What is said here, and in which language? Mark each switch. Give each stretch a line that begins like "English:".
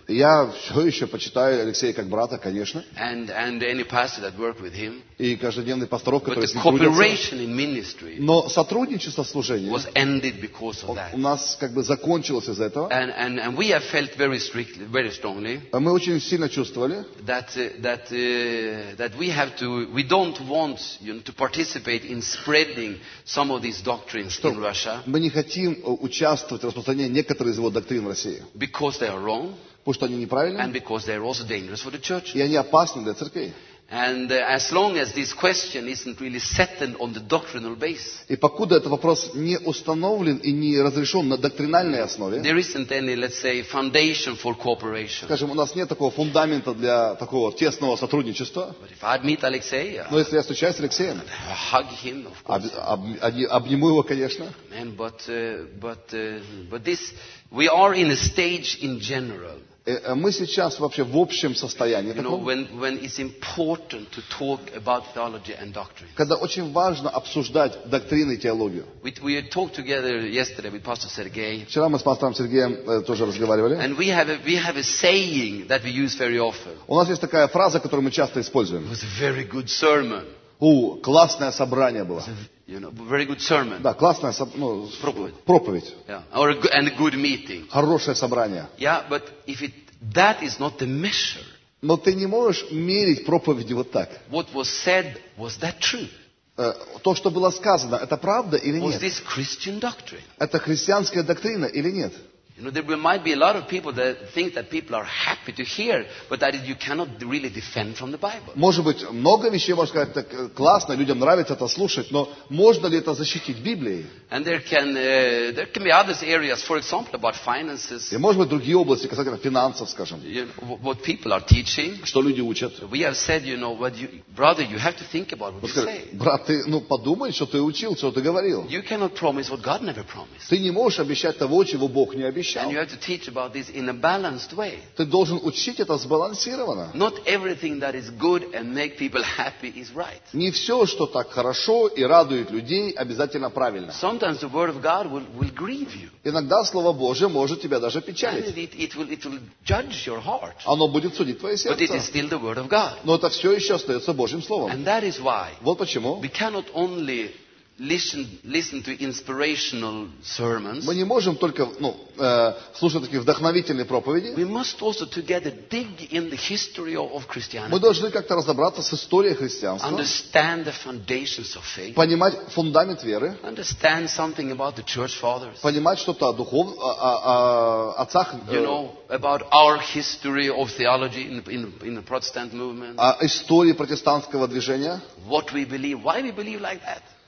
Russian: Я все еще почитаю Алексея как брата, конечно.
English: And any pastor that worked with him.
Russian: И каждодневный пастор, который с ним трудился. Но сотрудничество в служении
English: was ended because of that.
Russian: У нас как бы закончилось из-за этого.
English: And we have felt very strictly, very strongly.
Russian: Мы очень сильно чувствовали,
English: that we have to, we don't want, you know, to participate in spreading some of these doctrines in Russia.
Russian: Мы не хотим участвовать в распространении некоторых из его доктрин в России.
English: Because they are wrong.
Russian: Потому что они неправильны.
English: And because they are also dangerous for the church.
Russian: И они опасны для церкви.
English: And as long as this question isn't really settled on the doctrinal base,
Russian: и покуда этот вопрос не установлен и не разрешен на доктринальной основе,
English: there isn't any, let's say, foundation for cooperation.
Russian: Скажем, у нас нет такого фундамента для такого тесного сотрудничества.
English: But if I meet Alexei,
Russian: но если я встречаюсь с Алексеем,
English: I hug him, of course.
Russian: Обниму его, конечно.
English: Amen. But this, we are in a stage in general.
Russian: Мы сейчас вообще в общем состоянии.
English: You know, when it's important to talk about theology and doctrine.
Russian: Когда очень важно обсуждать доктрины и теологию.
English: We talked together yesterday with Pastor Sergei.
Russian: Вчера мы с пастором Сергеем тоже разговаривали.
English: And we have a saying that we use very often.
Russian: У нас есть такая фраза, которую мы часто используем.
English: It was a very good sermon.
Russian: Классное собрание было.
English: You know, very good sermon.
Russian: Да, классная проповедь.
English: Yeah. Or and a good meeting.
Russian: Хорошее собрание.
English: Yeah, but if it that is not the measure.
Russian: Но ты не можешь мерить проповеди вот так.
English: What was said, was that true?
Russian: То, что было сказано, это правда или нет?
English: Was this Christian doctrine?
Russian: Это христианская доктрина или нет?
English: You know, there might be a lot of people that think that people are happy to hear, but that you cannot really defend from the Bible.
Russian: Может быть, много вещей можно сказать, так классно, людям нравится это слушать, но можно ли это защитить Библией?
English: And there can be other areas, for example, about finances.
Russian: И может быть, другие области, касательно финансов, скажем.
English: You know, what people are teaching.
Russian: Что люди учат.
English: We have said, you know, what you, brother, you have to think about what you say.
Russian: Брат, ты, ну, подумай, что ты учил, что ты говорил.
English: You cannot promise what God never promised.
Russian: Ты не можешь обещать того, чего Бог не обещал. обещал.
English: And you have to teach about this in a balanced way.
Russian: Ты должен учить это сбалансированно.
English: Not everything that is good and make people happy is right.
Russian: Не все, что так хорошо и радует людей, обязательно правильно.
English: Sometimes the word of God will grieve you.
Russian: Иногда слово Божье может тебя даже печалить.
English: And it will judge your heart.
Russian: Оно будет судить твое сердце.
English: But it is still the word of God.
Russian: Но это все еще остается Божьим словом.
English: And that is why.
Russian: Вот почему.
English: We cannot only listen to inspirational sermons.
Russian: Мы не можем только слушать такие вдохновительные проповеди.
English: We must also together dig in the history of Christianity.
Russian: Мы должны как-то разобраться с историей христианства.
English: Understand the foundations of faith.
Russian: Понимать фундамент веры.
English: Understand something about the church fathers.
Russian: Понимать что-то о отцах.
English: About our history of theology in the Protestant movement.
Russian: О истории протестантского движения.
English: What we believe, why we believe like that.